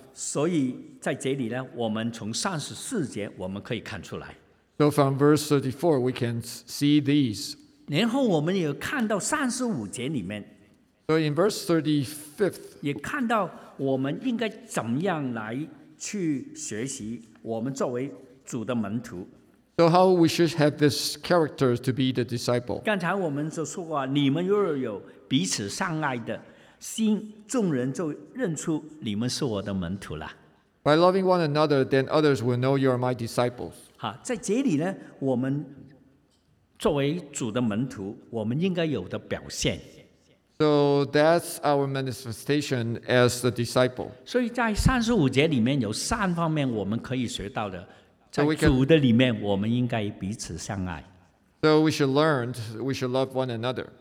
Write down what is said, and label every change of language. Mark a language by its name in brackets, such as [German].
[Chinese] 所以在这里呢，我们从三十四节我们可以看出来。 [English] So from verse 34, we can see these. [Chinese] 然后我们也看到三十五节里面。 [English] So in verse 35, [Chinese] 也看到我们应该怎么样来去学习我们作为主的门徒。 [English] So how we should have this character to be the disciple? [Chinese] 刚才我们就说过，你们若有彼此相爱的。心众人就认出你们是我的门徒了。 [English] By loving one another, then others will know you are my disciples. [Chinese] 好，在这里呢，我们作为主的门徒，我们应该有的表现。 [English] So that's our manifestation as the disciple. [Chinese] 所以在三十五节里面有三方面我们可以学到的，在主的里面，我们应该彼此相爱。 [English] So we should learn, we should love one another.